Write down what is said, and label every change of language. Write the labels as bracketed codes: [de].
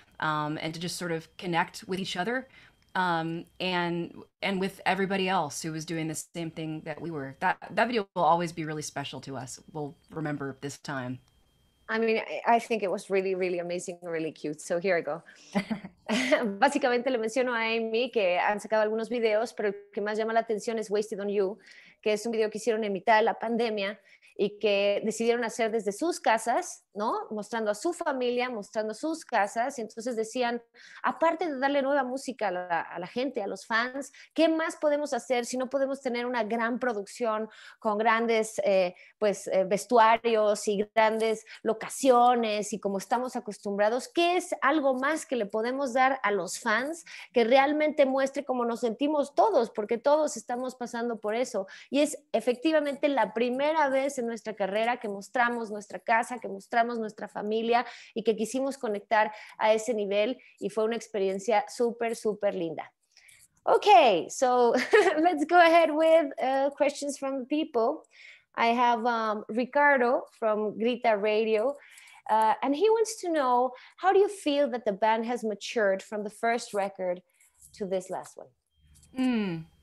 [en] And to just sort of connect with each other and with everybody else who was doing the same thing that we were. That video will always be really special to us. We'll remember this time. I mean, I think it was really, really amazing, really cute. So here I go. [es] Básicamente le menciono a Amy que han sacado algunos videos, pero el que más llama la atención es Wasted on You, que es un video que hicieron en mitad de la pandemia y que decidieron hacer desde sus casas, ¿no? Mostrando a su familia, mostrando sus casas. Y entonces decían, aparte de darle nueva música a la gente, a los fans, ¿qué más podemos hacer si no podemos tener una gran producción con grandes vestuarios y grandes locaciones y como estamos acostumbrados? ¿Qué es algo más que le podemos dar a los fans que realmente muestre cómo nos sentimos todos? Porque todos estamos pasando por eso. Y es efectivamente la primera vez en nuestra carrera que mostramos nuestra casa, que mostramos nuestra familia y que quisimos conectar a ese nivel y fue una experiencia súper, súper linda. [en] Okay, so let's go ahead with questions from the people. I have Ricardo from Grita Radio and he wants to know, how do you feel that the band has matured from the first record to this last one?